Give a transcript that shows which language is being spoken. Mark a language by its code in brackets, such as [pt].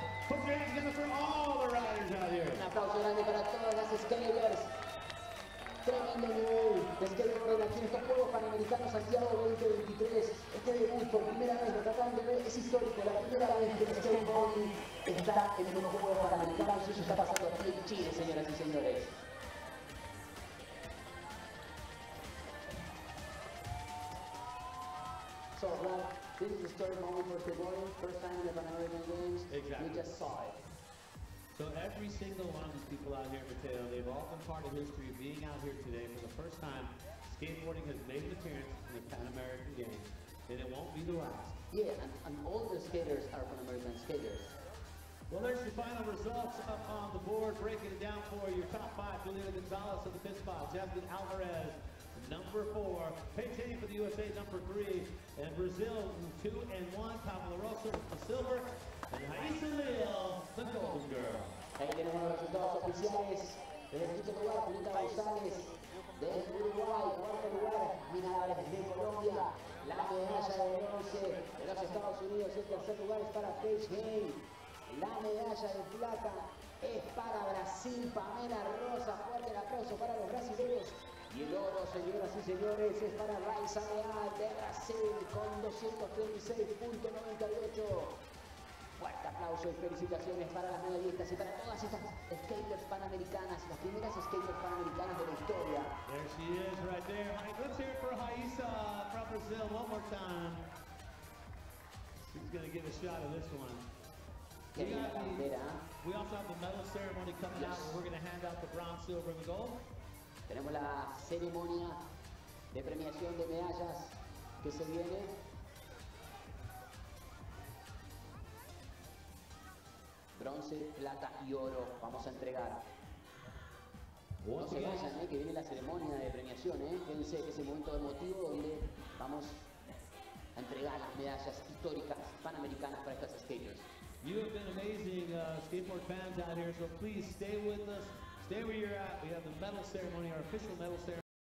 [en] Put your hands together for all the riders out here. [es] Un aplauso grande para todas las skaters. Tremendo nivel de skateboarder aquí en estos Juegos Panamericanos Santiago 2023. Este debut por primera vez lo tratan de ver, es histórico, la primera vez que el skateboarding está en los Juegos Panamericanos, eso está pasando aquí en Chile, señoras y señores. [en] So, Rob, this is a historic moment for skateboarding, first time in the Panamerican Games, exactly. We just saw it. So every single one of these people out here, Mateo, they've all been part of history being out here today for the first time. Skateboarding has made an appearance in the Pan American Games, and it won't be the last. Yeah, and all the skaters are Pan American skaters. Well, there's your final results up on the board, breaking it down for your top five, Juliana Gonzalez of the fifth spot, Jasmine Alvarez, number four, Paige Haney for the USA, number three, and Brazil, two and one, Pablo Rosa, the silver, and Haisa Leal, the golden girl. [es] Ahí tenemos los resultados oficiales. Desde el quinto lugar, Julita González. Desde Uruguay, cuarto lugar, Mina Álvarez de Colombia. La medalla de bronce de los Estados Unidos. El tercer lugar es para Paige Hay. La medalla de plata es para Brasil, Pamela Rosa. Fuerte el aplauso para los brasileños. Y el oro, señoras y señores, es para Raisa Leal de Brasil con 236.98. Fuerte aplauso y felicitaciones para las medallistas y para todas estas skaters panamericanas, las primeras skaters panamericanas de la historia. [en] There she is right there. Mike, let's hear it for Haisa from Brazil one more time. She's going to get a shot of this one. [es] Qué linda bandera. [en] We also have the medal ceremony coming out where we're going to hand out the bronze, silver and gold. [es] Tenemos la ceremonia de premiación de medallas que se viene. Bronce, plata y oro vamos a entregar. No se vayan, que viene la ceremonia de premiación, Fíjense ese momento emotivo donde vamos a entregar las medallas históricas panamericanas para estas skaters. [en] You have been amazing, skateboard fans out here, so please stay with us. Stay where you're at. We have the medal ceremony, our official medal ceremony.